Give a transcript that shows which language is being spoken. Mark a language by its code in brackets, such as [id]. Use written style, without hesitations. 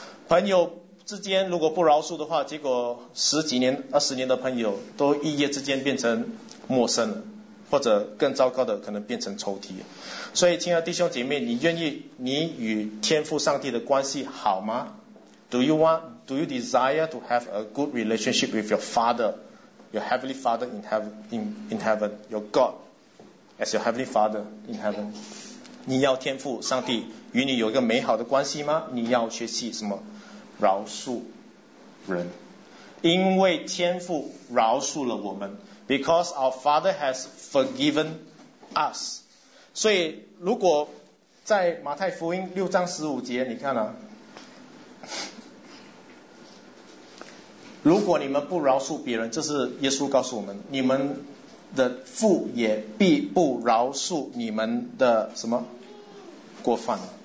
[zh] 朋友之间如果不饶恕的话，结果十几年二十年的朋友都一夜之间变成陌生了，或者更糟糕的可能变成仇敌。所以亲爱的弟兄姐妹，你愿意你与天父上帝的关系好吗？ [en] Do you desire to have a good relationship with your father your heavenly Father in heaven, in heaven, your God as your heavenly Father in heaven. [zh] 你要天父上帝与你有一个美好的关系吗？你要学习什么？饶恕人，因为天父饶恕了我们。 [en] Because our Father has forgiven us. [zh] 所以如果在马太福音六章十五节，你看啊，如果你们不饶恕别人，这是耶稣告诉我们，你们的父也必不饶恕你们的什么过犯。